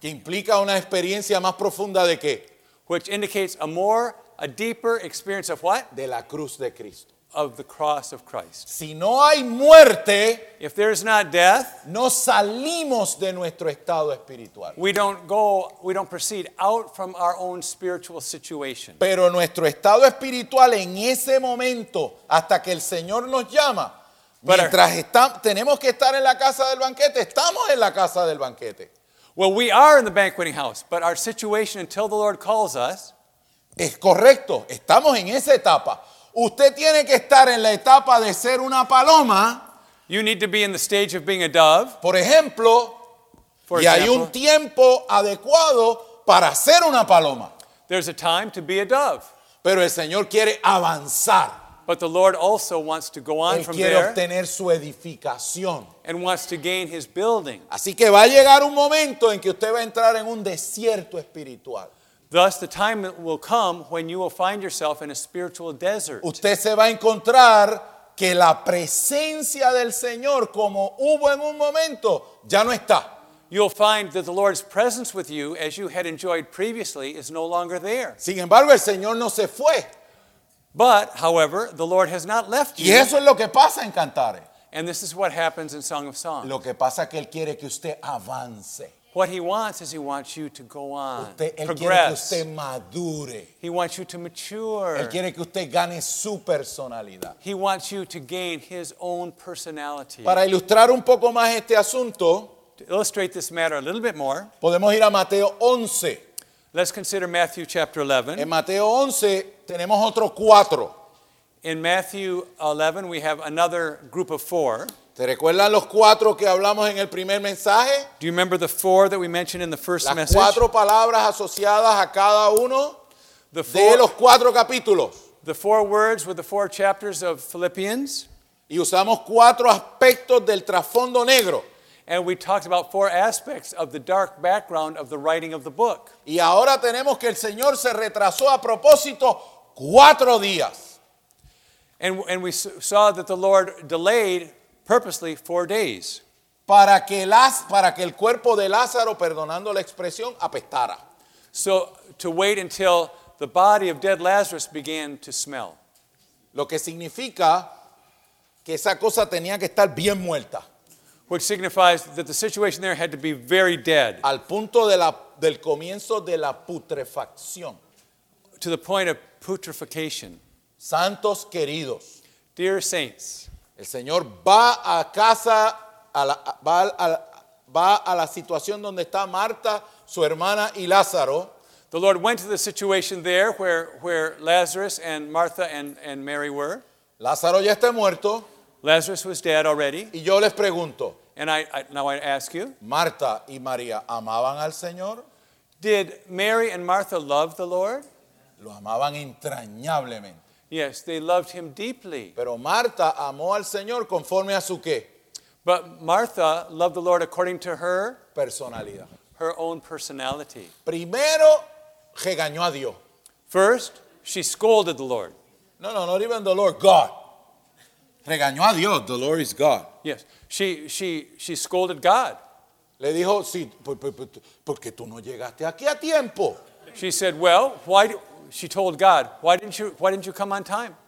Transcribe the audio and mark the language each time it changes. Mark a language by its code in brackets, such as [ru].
[es] Que implica una experiencia más profunda de qué? [en] Which indicates a deeper experience of what? [es] De la cruz de Cristo. [en] Of the cross of Christ. [es] Si no hay muerte, [en] if there is not death, [es] no salimos de nuestro estado espiritual. [en] We don't proceed out from our own spiritual situation. [es] Pero nuestro estado espiritual en ese momento, hasta que el Señor nos llama, tenemos que estar en la casa del banquete, estamos en la casa del banquete. [en] Well, we are in the banqueting house, but our situation until the Lord calls us, [es] es correcto, estamos en esa etapa. Usted tiene que estar en la etapa de ser una paloma. [en] You need to be in the stage of being a dove. [es] Por ejemplo, hay un tiempo adecuado para ser una paloma. [en] There's a time to be a dove. [es] Pero el Señor quiere avanzar. [en] But the Lord also wants to go on [es] Él [en] from [es] quiere [en] there. [es] Quiere obtener su edificación. [en] And wants to gain his building. [es] Así que va a llegar un momento en que usted va a entrar en un desierto espiritual. [en] Thus, the time will come when you will find yourself in a spiritual desert. [es] Usted se va a encontrar que la presencia del Señor, como hubo en un momento, ya no está. [en] You'll find that the Lord's presence with you, as you had enjoyed previously, is no longer there. [es] Sin embargo, el Señor no se fue. [en] But, however, the Lord has not left you. [es] Y eso es lo que pasa en Cantares. [en] And this is what happens in Song of Songs. [es] Lo que pasa es que Él quiere que usted avance. [en] What he wants is he wants you to go on, [es] usted, [en] progress. [es] Que usted madure. [en] He wants you to mature. [es] Él quiere que usted gane su personalidad. [en] He wants you to gain his own personality. [es] Para ilustrar un poco más este asunto, [en] to illustrate this matter a little bit more, [es] podemos ir a Mateo 11. [en] Let's consider Matthew chapter 11. [es] En Mateo 11 tenemos otro cuatro. [en] In Matthew 11 we have another group of four. [es] ¿Te recuerdan los cuatro que hablamos en el primer mensaje? [en] Do you remember the four that we mentioned in the first [es] Las [en] message? [es] Las cuatro palabras asociadas a cada uno de los cuatro capítulos. [en] The four words with the four chapters of Philippians. [es] Y usamos cuatro aspectos del trasfondo negro. [en] And we talked about four aspects of the dark background of the writing of the book. [es] Y ahora tenemos que el Señor se retrasó a propósito cuatro días. [en] And we saw that the Lord delayed purposely 4 days. [es] Para que el cuerpo de Lázaro, perdonando la expresión, apestara. [en] So to wait until the body of dead Lazarus began to smell. [es] Lo que significa que esa cosa tenía que estar bien muerta. [en] Which signifies that the situation there had to be very dead. [es] Al punto del comienzo de la putrefacción. [en] To the point of putrefaction. [es] Santos queridos. [en] Dear saints. [es] El Señor va a casa, va a la situación donde está Marta, su hermana y Lázaro. [en] The Lord went to the situation there where Lazarus and Martha and Mary were. [es] Lázaro ya está muerto. [en] Lazarus was dead already. [es] Y yo les pregunto. [en] And I ask you. [es] Marta y María, ¿amaban al Señor? [en] Did Mary and Martha love the Lord? [es] Lo amaban entrañablemente. [en] Yes, they loved him deeply. [es] Pero Marta amó al Señor conforme a su qué? [en] But Martha loved the Lord according to her [es] personalidad. [en] Her own personality. [es] Primero regañó a Dios. [en] First, she scolded the Lord. No, no, not even the Lord, God. [es] Regañó a Dios. [en] The Lord is God. Yes. She scolded God. [es] Le dijo, sí, porque tú no llegaste aquí a tiempo. [en] She said, well, she told God, why didn't you come on time?